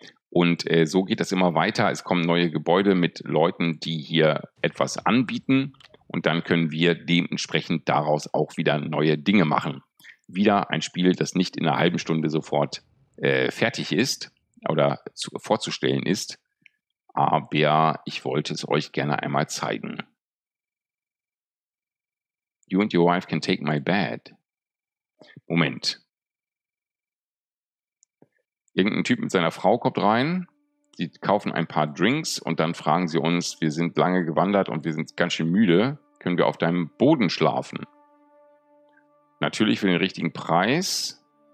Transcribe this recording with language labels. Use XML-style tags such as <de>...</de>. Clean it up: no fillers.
<de>Und so geht das immer weiter. Es kommen neue Gebäude mit Leuten, die hier etwas anbieten und dann können wir dementsprechend daraus auch wieder neue Dinge machen. Wieder ein Spiel, das nicht in einer halben Stunde sofort fertig ist oder vorzustellen ist. Aber ich wollte es euch gerne einmal zeigen.</de> <en>You and your wife can take my bed.</en> <de>Moment. Irgendein Typ mit seiner Frau kommt rein. Sie kaufen ein paar Drinks und dann fragen sie uns, wir sind lange gewandert und wir sind ganz schön müde. Können wir auf deinem Boden schlafen? Natürlich für den richtigen Preis.</de>